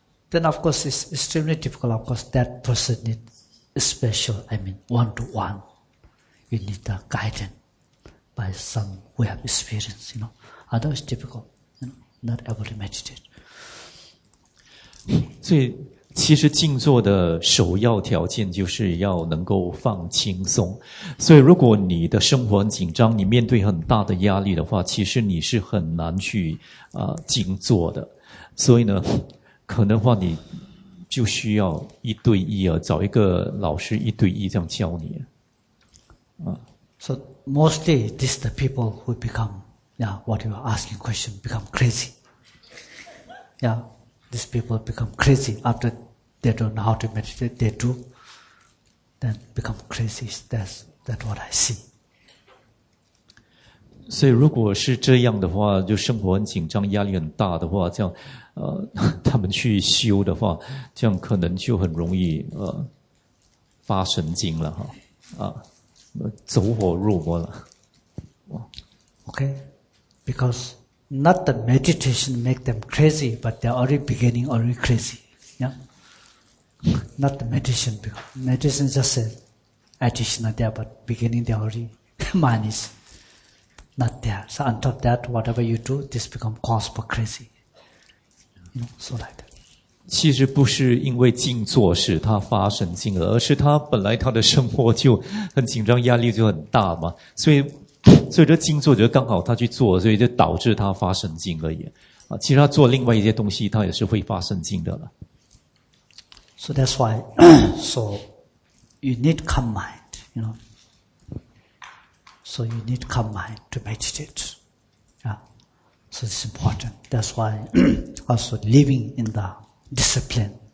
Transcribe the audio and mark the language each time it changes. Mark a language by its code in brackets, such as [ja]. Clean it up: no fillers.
[en] Then of course it's extremely difficult. Of course that person needs special, I mean, one-to-one, you need the guidance by some who have experience, you know. Otherwise, it's difficult, you know, not able to meditate. [zh] 所以其实静坐的首要条件就是要能够放轻松。所以如果你的生活很紧张，你面对很大的压力的话，其实你是很难去静坐的。所以呢，可能话你就需要一对一啊，找一个老师一对一这样教你。 [en] So mostly this the people who become, yeah, what you are asking question, become crazy. Yeah. These people become crazy after they don't know how to meditate, they do, then become crazy. That's what I see. [zh] 所以如果是这样的话，就生活很紧张，压力很大的话，这样，他们去修的话，这样可能就很容易发神经了哈，走火入魔了。 [en] Okay, because. Not the meditation make them crazy, but they're already beginning already crazy. Yeah. Not the meditation. Meditation is just an additional there, but beginning they're already mind is not there. So on top of that, whatever you do, this become cause for crazy. You know, so like that. [zh] 其实不是因为静坐使他发神经了，而是他本来他的生活就很紧张，压力就很大嘛，所以。所以这静坐就刚好他去做，所以就导致他发神经而已。其实他做另外一些东西他也是会发神经的了。 [en] So that's why, so you need calm mind, you know. So you need calm mind to meditate. Yeah. So it's important. That's why also living in the discipline.